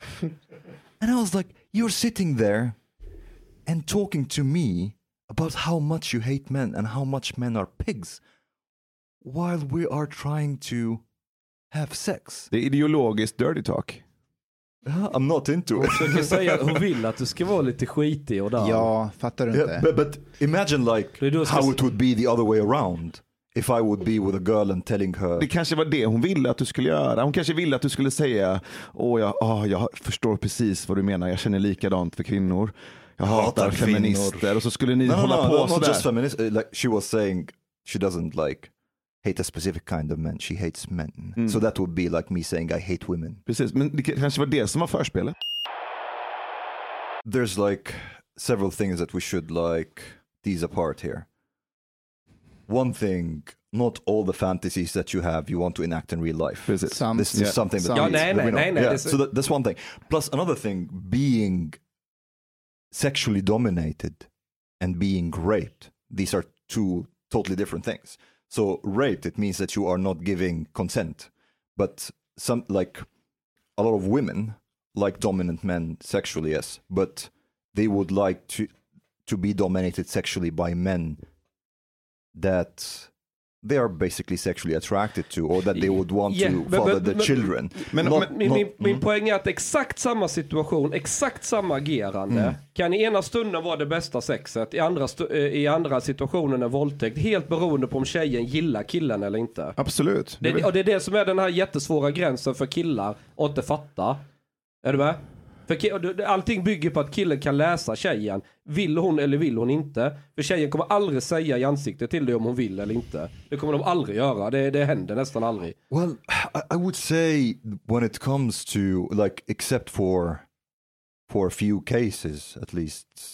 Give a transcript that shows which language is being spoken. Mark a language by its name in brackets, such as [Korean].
[English] And I was like, you're sitting there and talking to me about how much you hate men and how much men are pigs while we are trying to have sex. The ideologist dirty talk. I'm not into it. [Swedish] Hon försöker säga att hon vill att du ska vara lite skitig och där. Ja, fattar du inte? [English] Yeah, but imagine like how it would be the other way around if I would be with a girl and telling her. [Swedish] Det kanske var det hon ville att du skulle göra. Hon kanske ville att du skulle säga, jag förstår precis vad du menar. Jag känner likadant för kvinnor. Jag hatar feminister. Kvinnor. Och så skulle ni hålla på [English] sådär. Not just feminist. Like she was saying she doesn't like... hate a specific kind of men. She hates men. Mm. So that would be like me saying I hate women. [Swedish] Precis, men det kanske var det som var förspelet. [English] There's like several things that we should like tease apart here. One thing, not all the fantasies that you have you want to enact in real life. [Swedish] Precis. [English] So that's one thing. Plus another thing, being sexually dominated and being raped, these are two totally different things. So raped, it means that you are not giving consent. But some, like a lot of women like dominant men sexually, yes, but they would like to be dominated sexually by men that they are basically sexually attracted to or that they would want to father the children. [Swedish] Men, not, min poäng är att exakt samma situation, exakt samma agerande kan i ena stunden vara det bästa sexet, i andra situationen är våldtäkt, helt beroende på om tjejen gillar killen eller inte. Absolut. Och det är det som är den här jättesvåra gränsen för killar att inte fatta. Är du med? För allting bygger på att killen kan läsa tjejen. Vill hon eller vill hon inte? För tjejen kommer aldrig säga i ansiktet till dig om hon vill eller inte. Det kommer de aldrig göra. Det händer nästan aldrig. [English] Well, I would say when it comes to, like, except for a few cases at least.